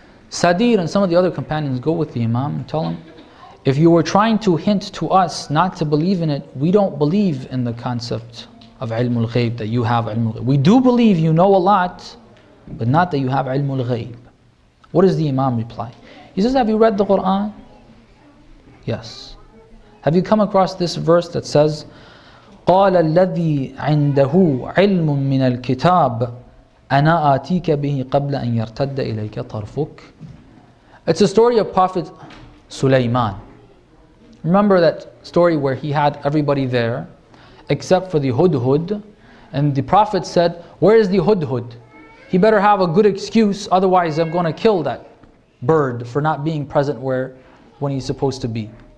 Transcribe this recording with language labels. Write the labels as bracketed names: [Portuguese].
[English] Sadir and some of the other companions go with the Imam and tell him, if you were trying to hint to us not to believe in it, we don't believe in the concept of علم الغيب, that you have علم الغيب. We do believe you know a lot, but not that you have علم الغيب. What does the Imam reply? He says, have you read the Quran? Yes. Have you come across this verse that says, [Arabic] قال الذي عنده علم من الكتاب أنا آتيك به قبل أن يرتد إليك طرفك. [English] It's a story of Prophet Sulaiman. Remember that story where he had everybody there except for the Hudhud, and the Prophet said, where is the Hudhud? He better have a good excuse, otherwise I'm going to kill that bird for not being present when he's supposed to be.